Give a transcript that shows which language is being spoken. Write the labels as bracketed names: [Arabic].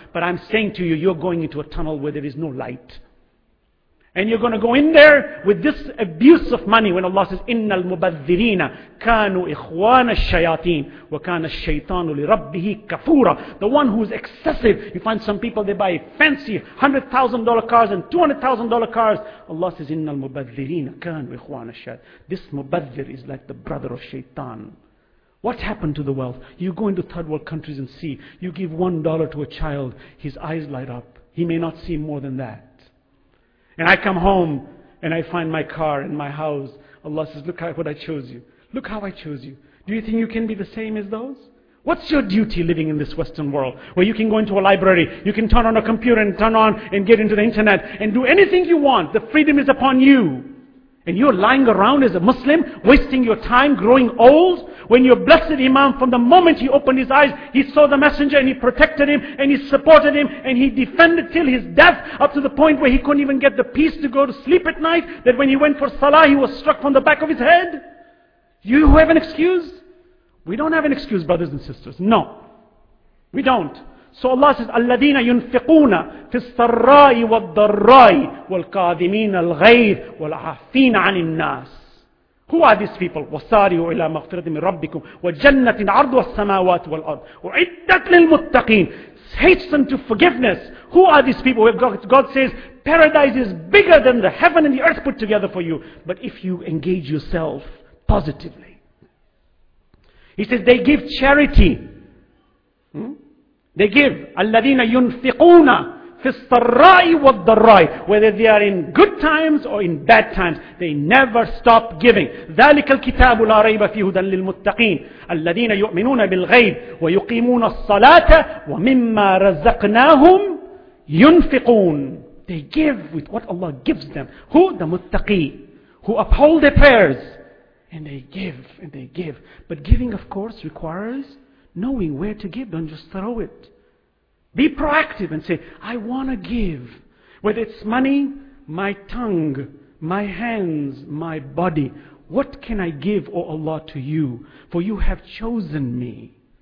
[English] But I'm saying to you, you're going into a tunnel where there is no light. And you're going to go in there with this abuse of money when Allah says, [Arabic] إِنَّ الْمُبَذِّرِينَ كَانُوا إِخْوَانَ الشَّيَاطِينَ وَكَانَ الشَّيْطَانُ لِرَبِّهِ كَفُورًا. [English] The one who is excessive, you find some people, they buy fancy $100,000 cars and $200,000 cars. Allah says, [Arabic] إِنَّ الْمُبَذِّرِينَ كَانُوا إِخْوَانَ الشَّيَاطِينَ. [English] This mubadhir is like the brother of shaitan. What happened to the wealth? You go into third world countries and see. You give $1 to a child, his eyes light up. He may not see more than that. And I come home and I find my car and my house. Allah says, look what I chose you. Look how I chose you. Do you think you can be the same as those? What's your duty living in this Western world? Where you can go into a library, you can turn on a computer and turn on and get into the internet and do anything you want. The freedom is upon you. And you're lying around as a Muslim, wasting your time, growing old. When your blessed Imam, from the moment he opened his eyes, he saw the messenger and he protected him and he supported him and he defended till his death, up to the point where he couldn't even get the peace to go to sleep at night, that when he went for Salah, he was struck from the back of his head. You have an excuse? We don't have an excuse, brothers and sisters. No. We don't. So Allah says, [Arabic] الَّذِينَ يُنْفِقُونَ فِي السَّرَّاءِ وَالضَّرَّاءِ وَالْقَاذِمِينَ الْغَيْظِ وَالْعَافِينَ عَنِ النَّاسِ. [English] Who are these people? [Arabic] وَسَارِعُوا إِلَىٰ مَغْفِرَةٍ مِنْ رَبِّكُمْ وَجَنَّةٍ عَرْضُهَا السَّمَاوَاتُ وَالْأَرْضُ وَعِدَّتْ لِلْمُتَّقِينَ. [English] Hasten to forgiveness. Who are these people? God says, paradise is bigger than the heaven and the earth put together for you. But if you engage yourself positively. He says, they give charity. They give. [Arabic] الَّذِينَ يُنْفِقُونَ فِي السَّرَّاءِ وَالضَّرَّاءِ. [English] Whether they are in good times or in bad times, they never stop giving. [Arabic] ذَلِكَ الْكِتَابُ لَا رَيْبَ فِي هُدًى لِلْمُتَّقِينَ الَّذِينَ يُؤْمِنُونَ بِالْغَيْبِ وَيُقِيمُونَ الصَّلَاةَ وَمِمَّا رَزَقْنَاهُمْ يُنْفِقُونَ. [English] They give with what Allah gives them. Who? The muttaqi. Who uphold their prayers and they give and they give. But giving, of course, requires knowing where to give. Don't just throw it. Be proactive and say, I want to give. Whether it's money, my tongue, my hands, my body. What can I give, O Allah, to you? For you have chosen me.